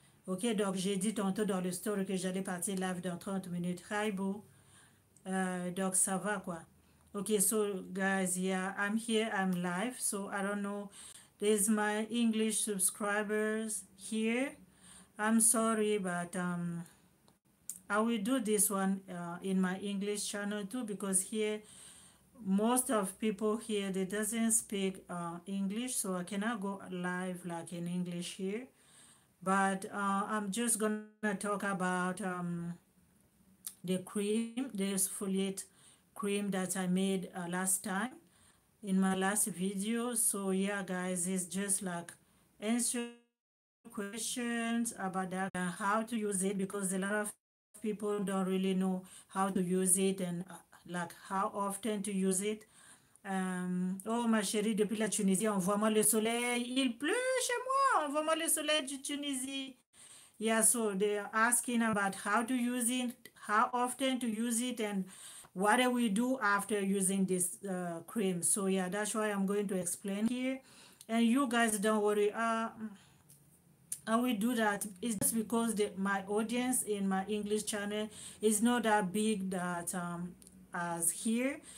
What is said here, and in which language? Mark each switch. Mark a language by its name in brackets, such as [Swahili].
[French] OK, donc j'ai dit tantôt dans le story que j'allais partir live dans 30 minutes. [English] Hi boo. [French] Donc ça va quoi. [English] OK, so guys, yeah, I'm here, I'm live. So I don't know, there's my English subscribers here. I'm sorry, but I will do this one in my English channel too because here, most of people here, they doesn't speak English, so I cannot go live like in English here. But I'm just gonna talk about the cream, the exfoliate cream that I made last time in my last video. So yeah, guys, it's just like answer questions about that and how to use it because a lot of people don't really know how to use it and like how often to use it. [French] Oh ma chérie, depuis la Tunisie, envoie-moi le soleil, il pleut chez moi, envoie-moi le soleil du Tunisie. [English] Yeah, so they are asking about how to use it, how often to use it, and what do we do after using this cream. So yeah, that's why I'm going to explain here. And you guys don't worry. I will do that. It's just because my audience in my English channel is not that big that as here.